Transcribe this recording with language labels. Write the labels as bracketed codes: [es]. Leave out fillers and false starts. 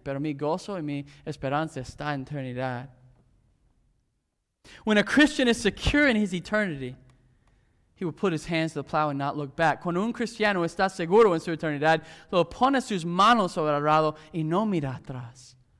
[es] Pero mi gozo y mi esperanza está en eternidad. [en] When a Christian is secure in his eternity, he will put his hands to the plow and not look back. [es] Cuando un cristiano está seguro en su eternidad, lo pone sus manos sobre el arado y no mira atrás.